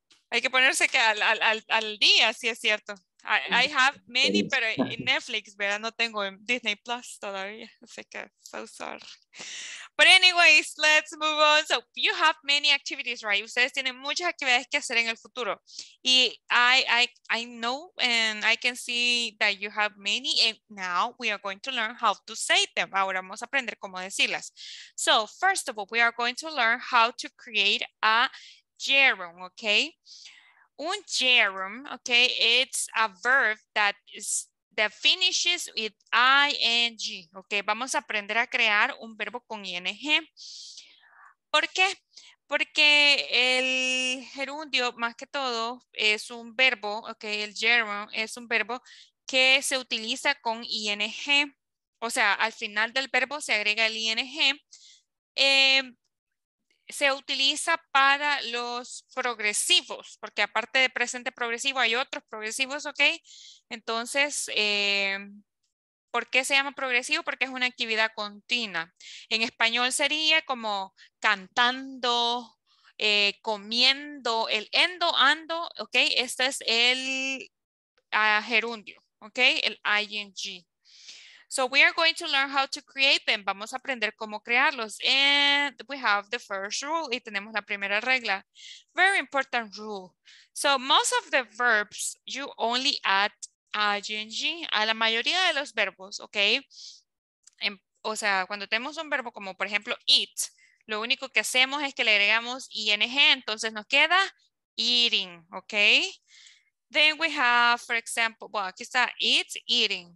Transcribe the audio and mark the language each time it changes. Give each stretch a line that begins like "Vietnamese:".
Spanish: Hay que ponerse que al día, sí es cierto.
English: I have many,
Spanish: pero en Netflix, ¿verdad? No tengo en Disney Plus todavía. Así que,
English: so sorry. But anyways, let's move on. So, you have many activities, right?
Spanish: Ustedes tienen muchas actividades que hacer en el futuro.
English: Y I know and I can see that you have many. And now we are going to learn how to say them.
Spanish: Ahora vamos a aprender cómo decirlas.
English: So, first of all, we are going to learn how to create a gerund, okay? Un gerund, okay, it's a verb that is that finishes with ing, okay.
Spanish: Vamos a aprender a crear un verbo con ing. ¿Por qué? Porque el gerundio, más que todo, es un verbo, okay, el gerund es un verbo que se utiliza con ing. O sea, al final del verbo se agrega el ing. Se utiliza para los progresivos, porque aparte de presente progresivo hay otros progresivos, ¿ok? Entonces, ¿por qué se llama progresivo? Porque es una actividad continua. En español sería como cantando, comiendo, el endo, ando, ¿ok? Este es el gerundio, ¿ok? El ing.
English: So we are going to learn how to create them.
Spanish: Vamos a aprender cómo crearlos.
English: And we have the first rule.
Spanish: Y tenemos la primera regla.
English: Very important rule. So most of the verbs, you only add ing.
Spanish: A la mayoría de los verbos, ¿ok? O sea, cuando tenemos un verbo como, por ejemplo, eat, lo único que hacemos es que le agregamos ing. Entonces nos queda eating, ¿ok?
English: Then we have, for example, well,
Spanish: aquí está,
English: it's eating.